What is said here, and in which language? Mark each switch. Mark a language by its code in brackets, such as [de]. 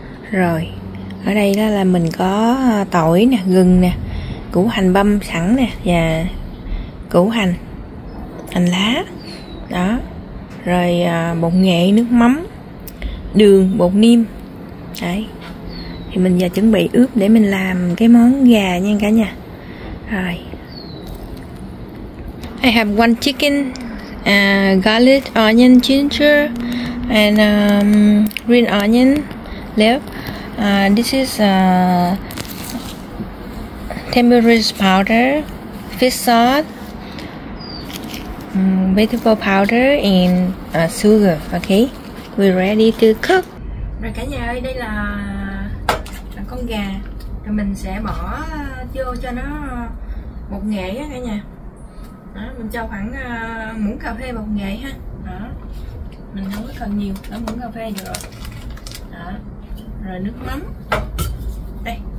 [vi] Rồi ở đây đó là mình có tỏi nè, gừng nè, củ hành băm sẵn nè và củ hành, hành lá đó. Rồi bột nghệ, nước mắm, đường, bột niêm. Đấy. Thì mình giờ chuẩn bị ướp để mình làm cái món gà nha cả nhà. Rồi. [en] I have one chicken, garlic, onion, ginger, and green onion left. This is tamarind powder, fish sauce, vegetable powder, and sugar. Okay, we're ready to cook. [vi] Rồi cả nhà ơi, đây là con gà. Rồi mình sẽ bỏ vô cho nó bột nghệ á cả nhà. Đó, mình cho khoảng muỗng cà phê bột nghệ ha. Đó. Mình không có cần nhiều, đó muỗng cà phê được rồi. Đó. Rồi nước mắm. Đây.